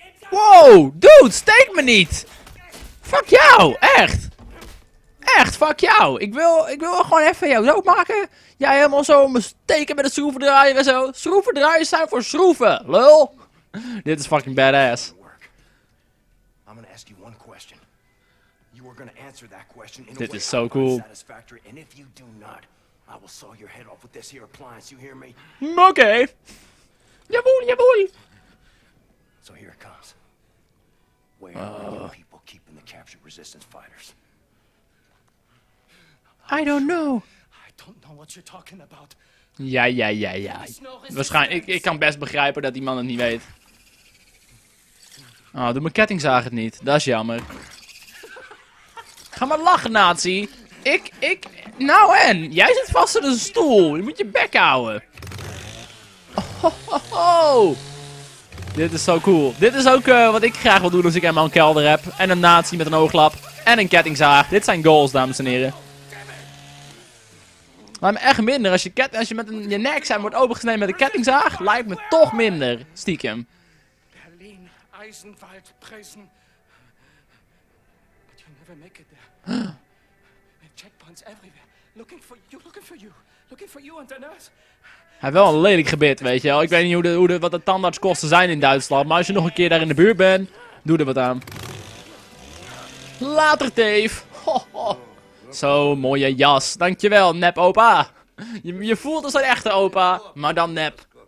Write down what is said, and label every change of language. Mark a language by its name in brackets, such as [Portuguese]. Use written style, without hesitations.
[Dutch] Wow, dude, steek me niet! Fuck jou, echt! Echt, fuck jou. Ik wil gewoon even jou dood maken. Jij helemaal zo steken met een schroevendraaier en zo. Schroevendraaiers zijn voor schroeven, lul. Dit is fucking badass. [English] I'm gonna ask you one question. You are gonna answer that question in a way. This is so cool. Satisfactory. And if you do not, I will saw your head off with this here appliance. You hear me? Okay. Jawohl. So here it comes. Where are people keeping the captured resistance fighters? I don't know. I don't know what you're talking about. [Dutch] Ja. Waarschijnlijk, ik kan best begrijpen dat die man het niet weet. Oh, doe mijn kettingzaag het niet. Dat is jammer. Ga maar lachen, nazi. Nou en? Jij zit vast in een stoel. Je moet je bek houden. Oh. Dit is zo cool. Dit is ook wat ik graag wil doen als ik helemaal een kelder heb. En een nazi met een ooglap. En een kettingzaag. Dit zijn goals, dames en heren. Lijkt me echt minder. Als je met je nek zijn wordt opengesneden met een kettingzaag, lijkt me toch minder. Stiekem. Eisenwald prison. [English] But you'll never make it there. Checkpoints everywhere. Looking for you under nurse. [Dutch] Hij heeft wel een lelijk gebit, weet je wel. Ik weet niet wat de tandartskosten zijn in Duitsland. Maar als je nog een keer daar in de buurt bent, doe er wat aan. Later, Dave. Zo, mooie jas. Dankjewel, nep opa. Je voelt als een echte opa, maar dan nep.